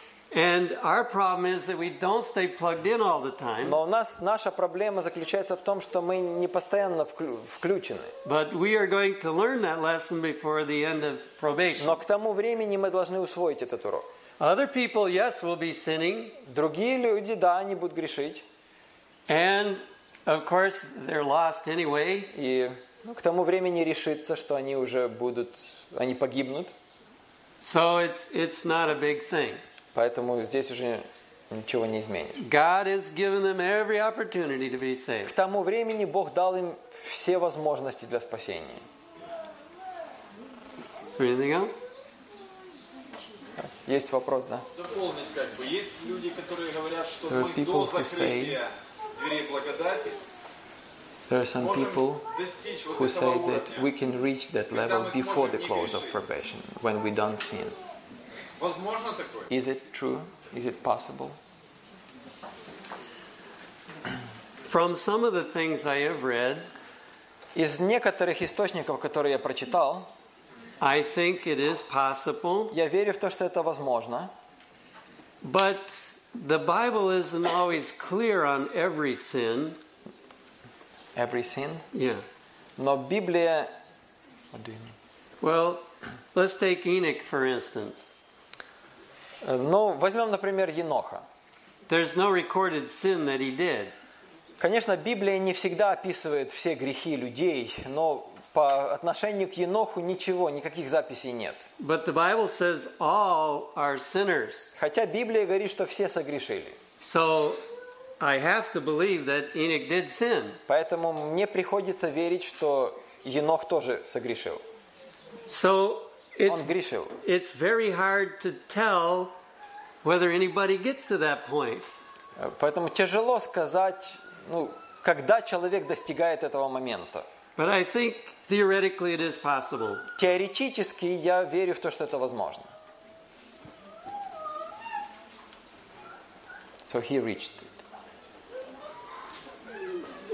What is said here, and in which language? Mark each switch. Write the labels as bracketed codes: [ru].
[en] And our problem is that we don't stay plugged in all the time. [ru] Но у нас наша проблема заключается в том, что мы не постоянно включены. [en] But we are going to learn that lesson before the end of probation. [ru] Но к тому времени мы должны усвоить этот урок. [en] Other people, yes, will be sinning. [ru] Другие люди, да, они будут грешить. [en] And, of course, they're lost anyway. [ru] И, ну, к тому времени решится, что они уже будут, они погибнут. [en] So it's not a big thing. [ru] Поэтому здесь уже ничего не изменишь. [en] God has given them every opportunity to be saved. [ru] К тому времени Бог дал им все возможности для спасения. [en] So anything else? [ru] Есть вопрос, да? Дополнить, как бы, есть люди, которые говорят, что there мы до закрытия say, дверей благодати [en] there are some people who [ru] вот [en] say [ru] уровня, [en] that we can reach that level before the close of probation when we don't sin. [ru] Возможно такое? [en] Is it true? Is it possible? From some of the things I have read, [ru] из некоторых источников, которые я прочитал, [en] I think it is possible. [ru] Я верю в то, что это возможно. [en] But The Bible isn't always clear on every sin. Every sin? Yeah. [ru] Но Библия... [en] What do you mean? Well, let's take Enoch, for instance. [ru] Ну, возьмем, например, Еноха. [en] There's no recorded sin that he did. [ru] Конечно, Библия не всегда описывает все грехи людей, но по отношению к Еноху ничего, никаких записей нет. [en] But the Bible says all are sinners. [ru] Хотя Библия говорит, что все согрешили. [en] So I have to believe that Enoch did sin. [ru] Поэтому мне приходится верить, что Енох тоже согрешил. [en] So [ru] он грешил. [en] It's very hard to tell whether anybody gets to that point. [ru] Поэтому тяжело сказать, ну, когда человек достигает этого момента. [en] But I think theoretically it is possible. [ru] Теоретически я верю в то, что это возможно. [en] So he reached it.